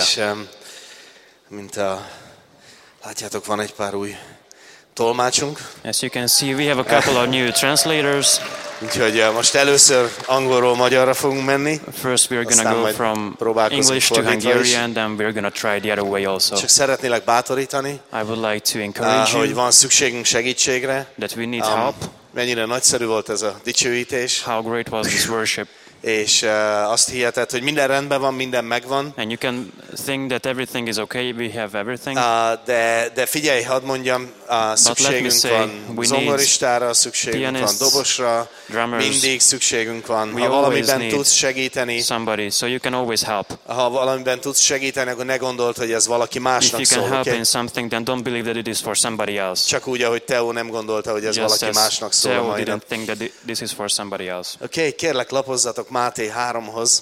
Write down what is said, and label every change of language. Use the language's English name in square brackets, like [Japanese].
[Hungarian] És mint a látjátok, van egy pár új tolmácsunk. [English] As you can see, we have a couple of new translators. [Hungarian] Úgyhogy most először angolról magyarra fogunk menni. [English] First we are going to go from English to Hungarian, then we are going to try the other way also. [Hungarian] Csak szeretnélek bátorítani. [English] I would like to encourage you. [Hungarian] Hogy van szükségünk segítségre. [English] That we need help. [Hungarian] Mennyire nagyszerű volt ez a dicsőítés. [English] How great was this worship. [Hungarian] És azt hiheted, hogy minden rendben van, minden megvan. [English] And you can think that everything is okay, we have everything. [Hungarian] De figyelj, hadd mondjam, szükségünk van zongoristára, szükségünk van dobosra, [English] drummers, [Hungarian] mindig szükségünk van. Ha valamiben tudsz segíteni, [English] somebody, so you can always help. [Hungarian] Ha valamiben tudsz segíteni, akkor ne gondold, hogy ez valaki másnak szól. [English] If you can help in something, then don't believe that it is for somebody else. [Hungarian] Csak úgy, ahogy Teo nem gondolta, hogy ez [English] just [Hungarian] valaki másnak szól. [English] Teo didn't think that this is for somebody else. [Hungarian] Okay, kérlek, lapozzat Máté 3-hoz.